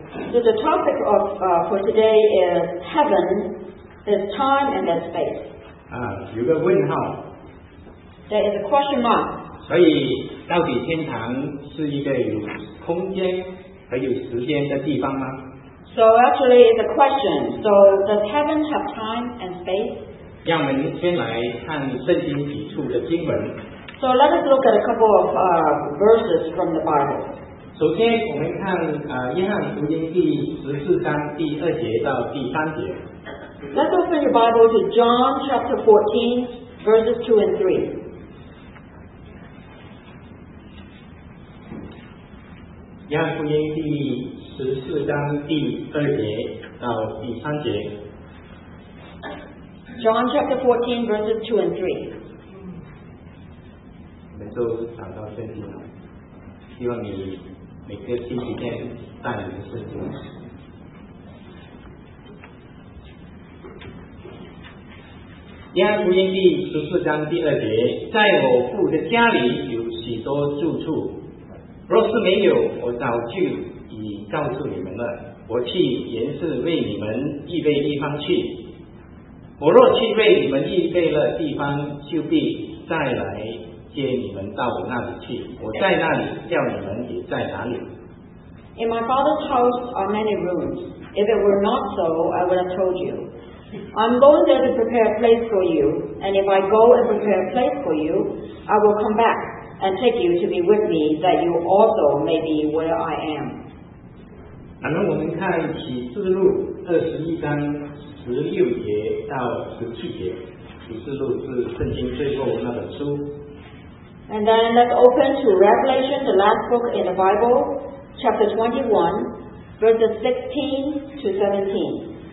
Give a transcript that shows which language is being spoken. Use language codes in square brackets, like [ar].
[en] So the topic of for today is heaven, the time and the space. [zh] 啊，有个问号。 [en] There is a question mark. [zh] 所以到底天堂是一个有空间和有时间的地方吗？ [en] So actually it's a question. So does heaven have time and space? [zh] 让我们先来看圣经笔触的经文。 [en] So let us look at a couple of verses from the Bible. [zh] 首先我们看约翰福音第14章第2节到第3节。 [en] Let's open your Bible to John chapter 14, verses 2 and 3. [zh] 约翰福音第14章第2节到第3节。 [en] John chapter 14 verses 2 and 3。 [zh] 我们都讲到圣经了，希望你每个星期天带领圣经。约翰福音第14章第2节，在我父的家里有许多住处。若是没有，我早就已告诉你们了。我去原是为你们预备地方去。我若去为你们预备了地方，就必再来接你们到我那里去。我在那里，叫你们也在哪里。 [en] In my Father's house are many rooms. If it were not so, I would have told you. I'm going there to prepare a place for you. And if I go and prepare a place for you, I will come back. And take you to be with me, that you also may be where I am. [zh] 那么我们看启示录21章16节到17节，启示录是圣经最后那本书。 [en] And then let's open to Revelation, the last book in the Bible, chapter 21, verses 16 to 17.